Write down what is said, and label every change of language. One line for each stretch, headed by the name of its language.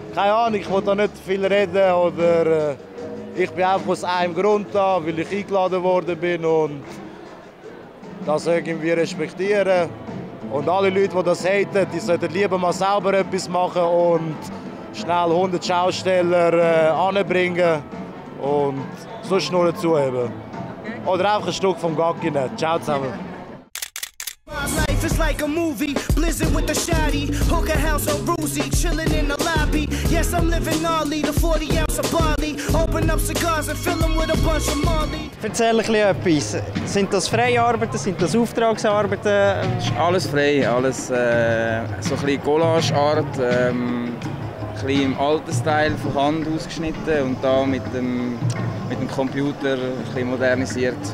German: Keine Ahnung, ich will da nicht viel reden oder ich bin einfach aus einem Grund da, weil ich eingeladen worden bin und das irgendwie respektieren. Und alle Leute, die das haten, die sollten lieber mal selber etwas machen und schnell 100 Schausteller anbringen und sonst nur dazuheben. Oder einfach ein Stück vom Gacki nehmen. Ciao zusammen.
English: It's like a movie, blizzard with a shoddy, hooker house on Rosie, chilling in the lobby. Yes, I'm living gnarly, the 40 ounce of barley. Open up cigars and fill them with a bunch of molly.
German: Erzähl ein bisschen etwas. Sind das Freiarbeiten, sind das Auftragsarbeiten? Es ist alles frei, alles so ein bisschen Collage-Art. Ein bisschen im alten Style von Hand ausgeschnitten und hier mit dem Computer ein bisschen modernisiert.